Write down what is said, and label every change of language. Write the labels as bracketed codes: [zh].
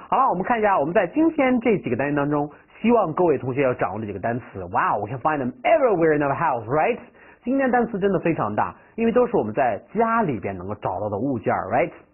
[zh] 好了，我们看一下我们在今天这几个单元当中，希望各位同学要掌握这几个单词。 [en] Wow, we can find them everywhere in our house, right? [zh] 今天单词真的非常大，因为都是我们在家里边能够找到的物件， right?